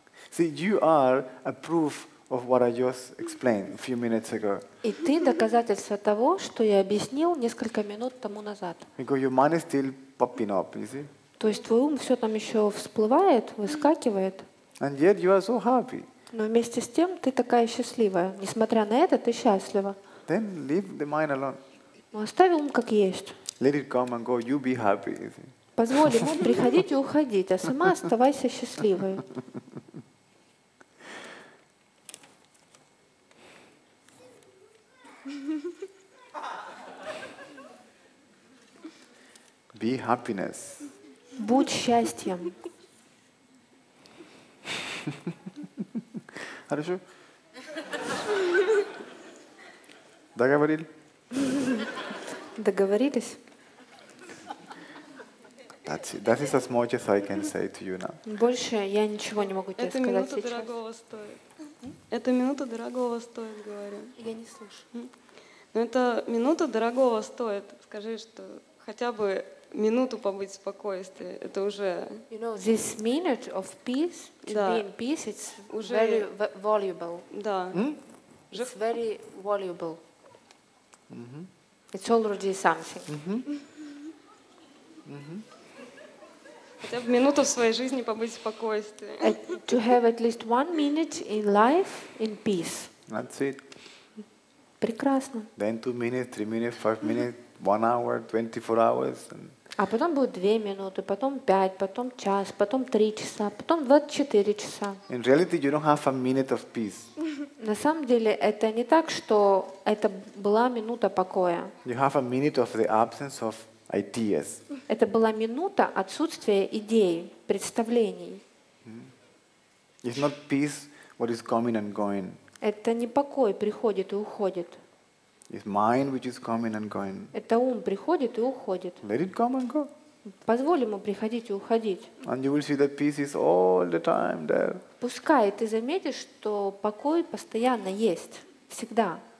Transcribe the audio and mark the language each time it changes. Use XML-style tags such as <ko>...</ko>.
<en>See, you are a proof of what I just explained a few minutes ago.</en> <ru>И ты доказательство того, что я объяснил несколько минут тому назад.</ru> <en>Because your mind is still popping up, you see?</en> <ru>То есть твой ум все там еще всплывает, выскакивает.</ru> <en>And yet you are so happy.</en> <ru>Но вместе с тем ты такая счастливая. Несмотря на это, ты счастлива.</ru> <en>Then leave the mind alone.</en> <ru>Оставь ум как есть.</ru> <en>Let it come and go. You be happy.</en> <ru>Позволь ему приходить и уходить, а сама оставайся счастливой.</ru> <en>Be happiness.</en> <ru>Будь счастьем. Хорошо? Договорили? Договорились.</ru> <en>That is as much as I can say to you now.</en> <ru>Больше я ничего не могу тебе это сказать сейчас. Это минута дорогого стоит. Это минута дорогого стоит, говорю. Я не слышу. Но это минута дорогого стоит. Скажи, что хотя бы минуту побыть в спокойствии, это уже...</ru> <en>You know, this minute of peace, to да. be in peace, it's уже... very valuable.</en> <ru>Да.</ru> <en>It's very valuable. Mm-hmm. It's already something. Mm-hmm. Mm-hmm.</en> <ru>Хотя бы минуту в своей жизни побыть в спокойствии.</ru> <en>To have at least one minute in life in peace. That's it.</en> <ru>Прекрасно.</ru> <en>Then 2 minutes, 3 minutes, 5 minutes, 1 hour, 24 hours.</en> <ru>А потом будет 2 минуты, потом 5, потом час, потом 3 часа, потом 24 часа.</ru> <en>In reality, you don't have a minute of peace.</en> <ru>На самом деле, это не так, что это была минута покоя.</ru> <en>You have a minute of the absence of ideas.</en> <ru>Это была минута отсутствия идей, представлений.</ru> <en>It's not peace what is coming and going.</en> <ru>Это не покой приходит и уходит.</ru> <en>It's mind which is coming and going.</en> <ru>Это ум приходит и уходит.</ru> <en>Let it come and go.</en> <ru>Позволь ему приходить и уходить.</ru> <en>And you will see that peace is all the time there.</en> <ru>Пускай ты заметишь, что покой постоянно есть, всегда.</ru>